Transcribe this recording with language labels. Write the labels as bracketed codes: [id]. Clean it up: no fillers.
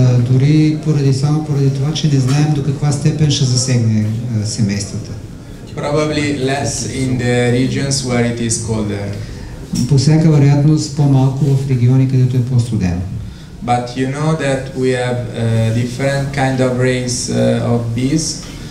[bg] Дори поради това, че не знаем до каква степен ще засегне семействата. [en] Probably less in the regions where it is colder. [bg] По всяка вероятност по-малко в региони, където е по-студено. [en] But you know that we have different kind of race of bees.